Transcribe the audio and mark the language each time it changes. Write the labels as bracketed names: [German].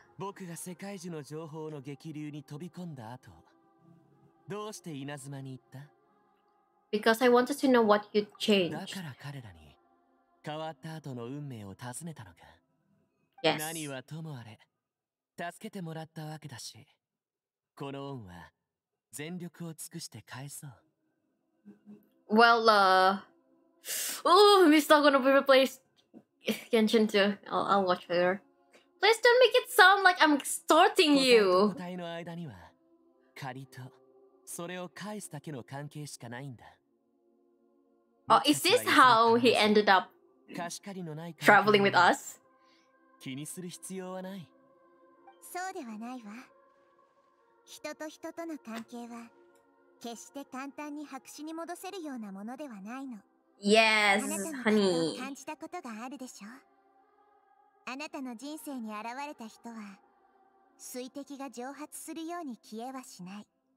[Japanese] 僕が世界中の情報の激流に飛び込んだ後、どうして稲妻に行った？ [English] Because I wanted to know what you changed. [Japanese] だから彼らに変わった後の運命を尋ねたのか。 [English] Yes. [Japanese] 何はともあれ、助けてもらったわけだし、この恩は全力を尽くして返そう。 [English] Well, Mr. gonna be replaced. Genshin too. I'll watch later. Please don't make it sound like I'm extorting you. [Japanese] 答えの間には借りとそれを返すだけの関係しかないんだ。 [English] Oh, is this how he ended up traveling with us? [Japanese] 気にする必要はない。そうではないわ。人と人との関係は決して簡単に白紙に戻せるようなものではないの。 [English] Yes, honey. [Japanese] 感じたことがあるでしょ。あなたの人生に現れた人は水滴が蒸発するように消えはしない。